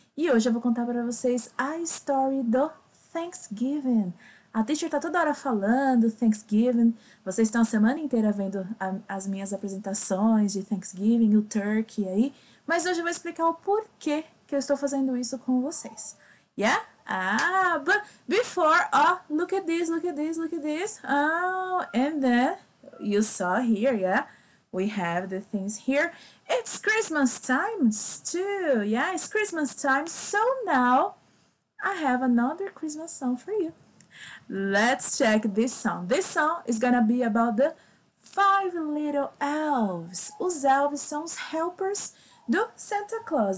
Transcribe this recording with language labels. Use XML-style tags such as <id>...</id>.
<pt>E hoje eu vou contar para vocês a story do Thanksgiving. A teacher está toda hora falando Thanksgiving. Vocês estão a semana inteira vendo as minhas apresentações de Thanksgiving, o turkey aí. Mas hoje eu vou explicar o porquê que eu estou fazendo isso com vocês.</pt> <en>Yeah? Ah, but before, oh, look at this, look at this, look at this. Oh, and then you saw here, yeah? We have the things here. It's Christmas time too. Yeah, it's Christmas time. So now I have another Christmas song for you. Let's check this song. This song is gonna be about the five little elves.</en> <pt>Os elves são os helpers do Santa Claus.</pt>